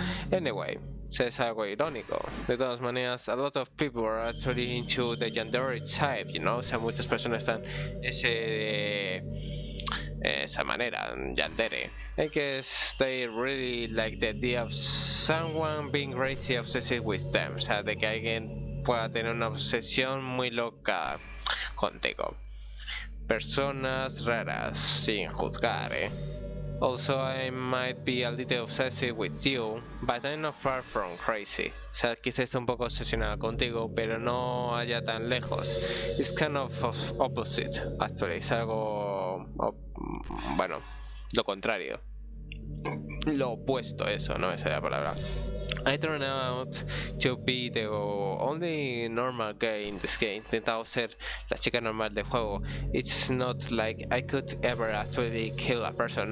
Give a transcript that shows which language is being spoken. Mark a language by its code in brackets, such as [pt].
[en] Anyway, [es] es algo irónico. De todas maneras, [en] a lot of people are actually into the yandere type, you know? [es] O sea, muchas personas están ese esa manera, yandere. [en] I guess they really like the idea of someone being crazy obsessive with them. [es] O sea, de que alguien pueda tener una obsesión muy loca contigo. Personas raras, sin juzgar, [en] Also, I might be a little obsessive with you, but I'm not far from crazy. [es] O sea, quizás esté un poco obsesionada contigo, pero no allá tan lejos. [en] It's kind of opposite, actually. [es] Es algo... bueno, lo contrario. Lo opuesto, eso, no me sale la palabra. [en] I turned out to be the only normal guy in this game. [es] Intentado ser la chica normal del juego. [en] It's not like I could ever actually kill a person.